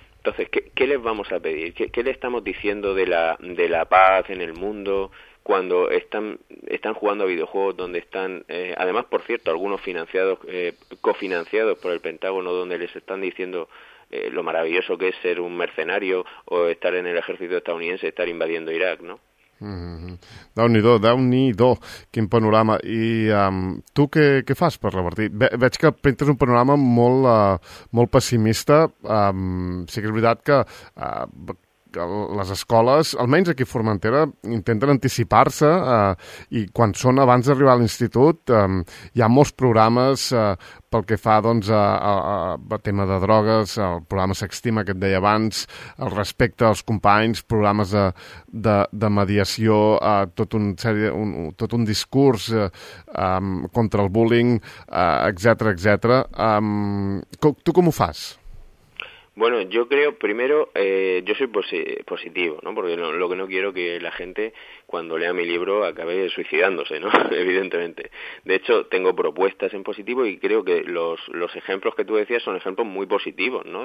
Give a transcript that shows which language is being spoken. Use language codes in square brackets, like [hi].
[es] Entonces, ¿qué les vamos a pedir? ¿Qué le estamos diciendo de la paz en el mundo cuando están jugando a videojuegos donde están, además, por cierto, algunos financiados, cofinanciados por el Pentágono, donde les están diciendo lo maravilloso que es ser un mercenario o estar en el ejército estadounidense, estar invadiendo Irak, ¿no? [ca] Déu-n'hi-do, déu-n'hi-do, quin panorama. I tu què fas per revertir? Veig que pintes un panorama molt, molt pessimista. Sí que és veritat que les escoles, almenys aquí a Formentera, intenten anticipar-se i quan són abans d'arribar a l'institut hi ha molts programes pel que fa doncs, a tema de drogues, el programa S'Estima, que et deia abans, el respecte als companys, programes de mediació, tot un discurs contra el bullying, etcètera, etcètera. Tu com ho fas? [es] Bueno, yo creo, primero, yo soy positivo, ¿no? Porque lo que no quiero que la gente, cuando lea mi libro, acabe suicidándose, ¿no? Evidentemente. De hecho, tengo propuestas en positivo y creo que los ejemplos que tú decías son ejemplos muy positivos, ¿no?